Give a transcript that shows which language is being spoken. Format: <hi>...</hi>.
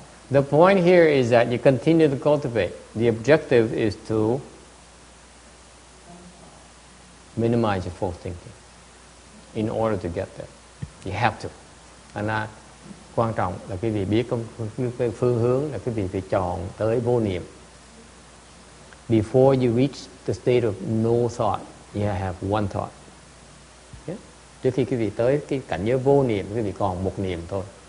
<en>The point here is that you continue to cultivate. The objective is to minimize your false thinking in order to get there. You have to. And that,</en> <vi>quan trọng là quý vị biết cái phương hướng là quý vị phải chọn tới vô niệm.</vi> <en>Before you reach the state of no thought, you have one thought.</en> <vi>Trước khi quý vị tới cái cảnh giới vô niệm, quý vị còn một niệm thôi.</vi>